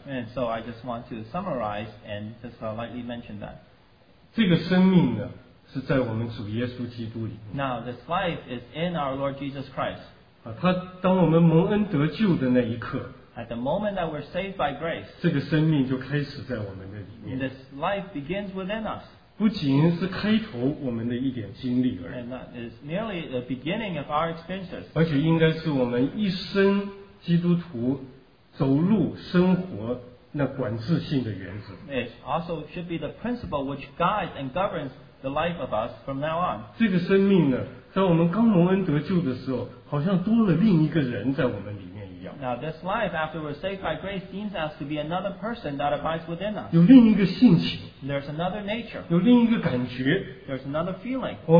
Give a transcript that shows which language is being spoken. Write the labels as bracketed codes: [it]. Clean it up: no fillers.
[en] And so I just want to summarize and just lightly mention that. [zh] 这个生命呢，是在我们主耶稣基督里面。 [en] Now this life is in our Lord Jesus Christ. [zh] 啊，他当我们蒙恩得救的那一刻。 [en] At the moment that we're saved by grace. [zh] 这个生命就开始在我们的里面。 [en] This life begins within us. [zh] 不仅是开头我们的一点经历而已。 [en] And that is nearly the beginning of our experiences. [zh] 而且应该是我们一生基督徒走路生活那管制性的原则。 [en] It also should be the principle which guides and governs the life of us from now on. [zh] 这个生命呢, 在我们刚蒙恩得救的时候，好像多了另一个人在我们里面一样。 [en] Now this life after we're saved by grace seems as to be another person that abides within us. [zh] 有另一个性情, [en] There's another nature. [zh] 有另一个感觉, [en] There's another feeling.